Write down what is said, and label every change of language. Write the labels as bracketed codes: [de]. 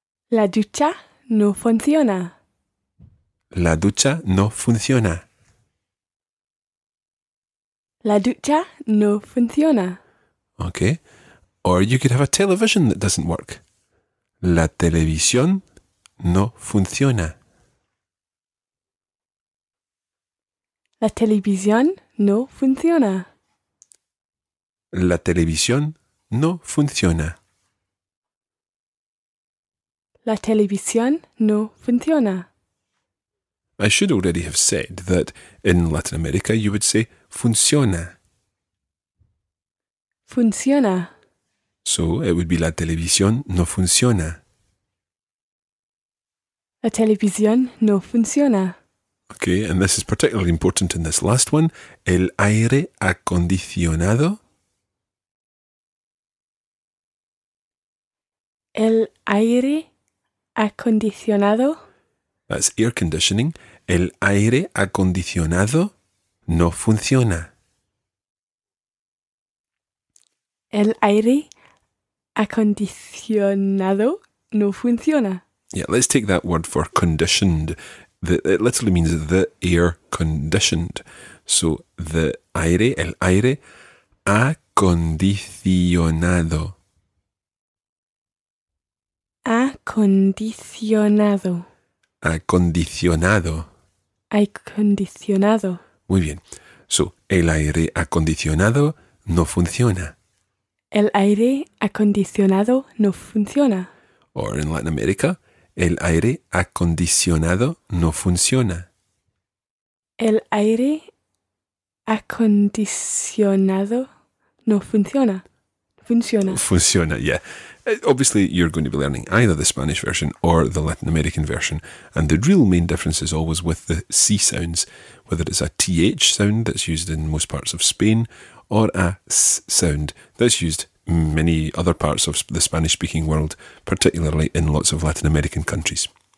[es] La ducha no funciona. La ducha no funciona. La ducha no funciona. [en] Okay. Or you could have a television that doesn't work. [es] La televisión no funciona. La televisión no funciona. La televisión no funciona. La televisión no funciona. [en] I should already have said that in Latin America you would say funciona. [es] Funciona. [en] So it would be [es] la televisión no funciona. La televisión no funciona. [en] Okay, and this is particularly important in this last one. [es] El aire acondicionado. El aire acondicionado. [en] That's air conditioning. [es] El aire acondicionado no funciona. El aire acondicionado no funciona. [en] Yeah, let's take that word for conditioned. It literally means the air conditioned. So the [es] aire, el aire acondicionado. Acondicionado. Acondicionado. Acondicionado. Muy bien. So, el aire acondicionado no funciona. El aire acondicionado no funciona. [en] Or in Latin America, [es] el aire acondicionado no funciona. El aire acondicionado no funciona. Funciona. Funciona, yeah. [en] Obviously, you're going to be learning either the Spanish version or the Latin American version. And the real main difference is always with the C sounds, whether it's a TH sound that's used in most parts of Spain or a S sound that's used in many other parts of the Spanish-speaking world, particularly in lots of Latin American countries.